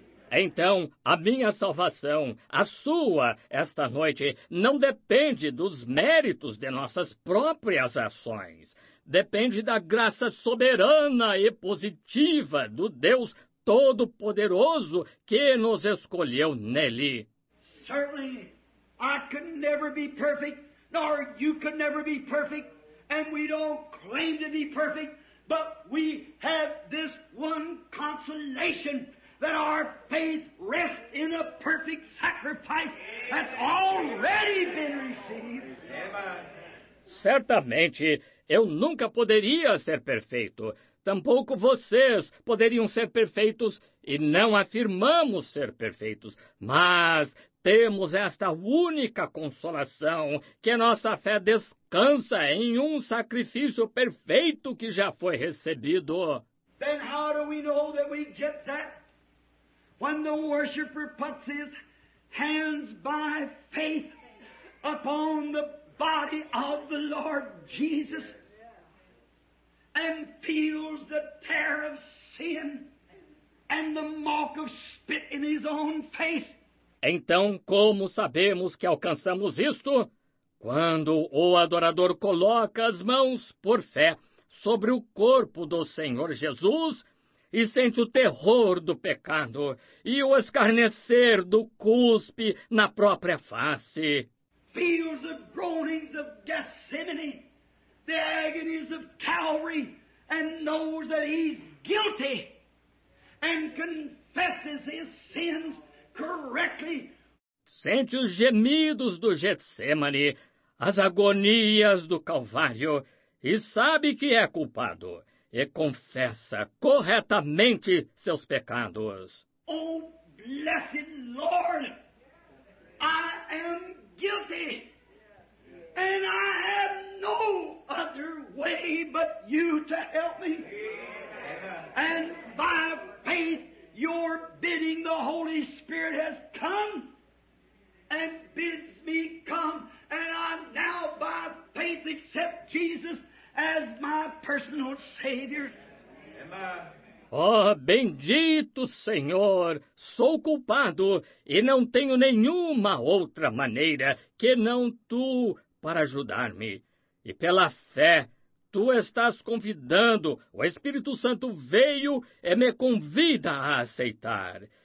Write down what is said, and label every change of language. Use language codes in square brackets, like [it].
[pt] Então, a minha salvação, a sua, esta noite, não depende dos méritos de nossas próprias ações. Depende da graça soberana e positiva do Deus Todo-Poderoso que nos escolheu nele. [en] Certainly, I could never be perfect, nor you could never be perfect, and we don't claim to be perfect, but we have this one consolation, that our faith rests in a perfect sacrifice that's already been received. [pt] Certamente, eu nunca poderia ser perfeito. Tampouco vocês poderiam ser perfeitos, e não afirmamos ser perfeitos. Mas temos esta única consolação, que nossa fé descansa em um sacrifício perfeito que já foi recebido. [en] Then how do we know that we get that? When the worshiper puts his hands by faith upon the body of the Lord Jesus and feels the tear of sin and the mock of spit in his own face. [pt] Então, como sabemos que alcançamos isto? Quando o adorador coloca as mãos, por fé, sobre o corpo do Senhor Jesus e sente o terror do pecado e o escarnecer do cuspe na própria face. [en] Feels the groanings of Gethsemane, the agonies of Calvary, and knows that he's guilty and confesses his sins. Correctly. [pt] Sente os gemidos do Getsemane, as agonias do Calvário, e sabe que é culpado, e confessa corretamente seus pecados. [en] Oh, blessed Lord, I am guilty, and I have no other way but you to help me. And by faith, your bidding, the Holy Spirit has come and bids me come, and I now by faith accept Jesus as my personal Savior. [pt] Oh, bendito Senhor, sou culpado e não tenho nenhuma outra maneira que não tu para ajudar-me. E pela fé, tu estás convidando, o Espírito Santo veio e me convida a aceitar.